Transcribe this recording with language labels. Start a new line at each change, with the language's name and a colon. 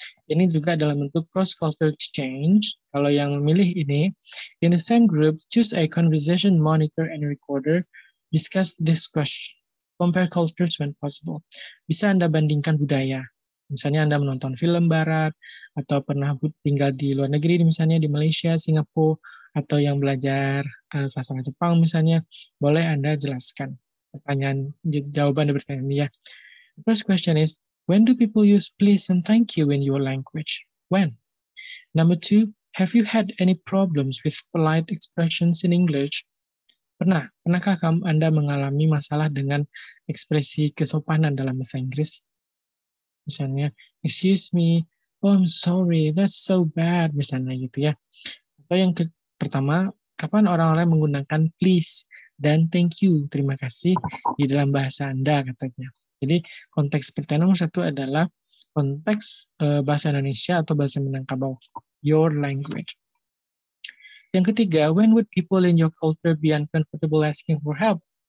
English: Ini juga dalam bentuk cross-cultural exchange. Kalau yang memilih ini, in the same group, choose a conversation monitor and recorder, discuss this question, compare cultures when possible.
Indonesian: Bisa Anda bandingkan budaya. Misalnya Anda menonton film barat, atau pernah tinggal di luar negeri, misalnya di Malaysia, Singapura, atau yang belajar sastra Jepang misalnya, boleh Anda jelaskan pertanyaan jawaban dari pertanyaan ini ya.
English: The first question is, when do people use please and thank you in your language? When? Number two, have you had any problems with polite expressions in English?
Indonesian: Pernah? Pernahkah kamu Anda mengalami masalah dengan ekspresi kesopanan dalam bahasa Inggris? Misalnya, excuse me, oh I'm sorry, that's so bad, misalnya gitu ya. Atau yang pertama, kapan orang-orang menggunakan please dan thank you, terima kasih, di dalam bahasa Anda katanya. Jadi konteks pertanyaan nomor satu adalah konteks bahasa Indonesia atau bahasa Minangkabau, your language.
English: Yang ketiga, when would people in your culture be uncomfortable asking for help?